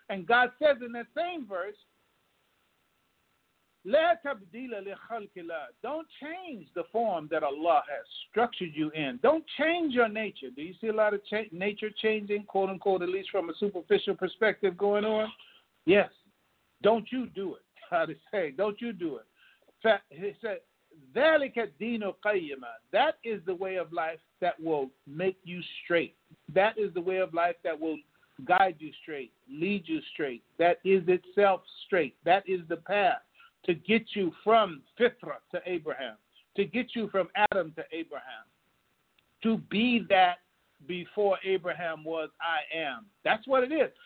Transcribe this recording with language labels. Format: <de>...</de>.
<en>And God says in that same verse,</en> <ar>لَا تَبْدِيلَ لِخَلْقِ اللَّهِ.</ar> <en>Don't change the form that Allah has structured you in. Don't change your nature. Do you see a lot of nature changing, quote unquote, at least from a superficial perspective going on? Yes. Don't you do it. God is saying, don't you do it. He said,</en> <ar>ذَلِكَ الدِّينُ قَيِّمًا.</ar> <en>That is the way of life that will make you straight. That is the way of life that will guide you straight, lead you straight. That is itself straight. That is the path to get you from Fitra to Abraham, to get you from Adam to Abraham, to be that before Abraham was I am. That's what it is.</en>